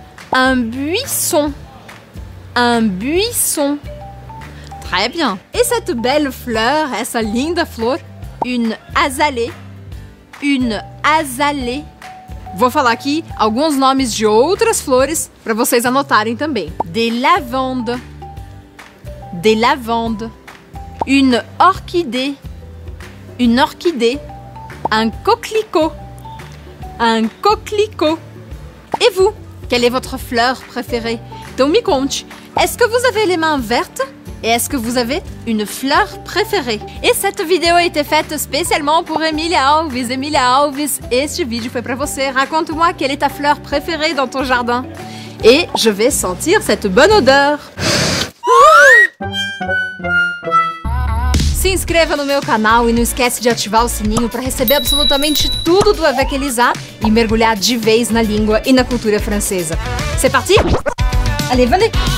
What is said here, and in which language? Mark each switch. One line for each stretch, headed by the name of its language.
French: Un buisson. Un buisson. Très bien. E cette belle fleur,
Portuguese: essa linda flor.
French: Une azalée. Une azalée.
Portuguese: Vou falar aqui alguns nomes de outras flores para vocês anotarem também.
French: Des lavandes. Des lavandes, une orchidée, un coquelicot. Et vous, quelle est votre fleur préférée?
Portuguese: Então me conte,
French: est-ce que vous avez les mains vertes? Et est-ce que vous avez une fleur préférée? Et cette vidéo a été faite spécialement pour Emilia Alves.
Portuguese: Emilia Alves, este vídeo foi para você.
French: Raconte-moi, quelle est ta fleur préférée dans ton jardin? Et je vais sentir cette bonne odeur.
Portuguese: Se inscreva no meu canal e não esquece de ativar o sininho para receber absolutamente tudo do Avec Elisa e mergulhar de vez na língua e na cultura francesa.
French: C'est parti? Allez, venez!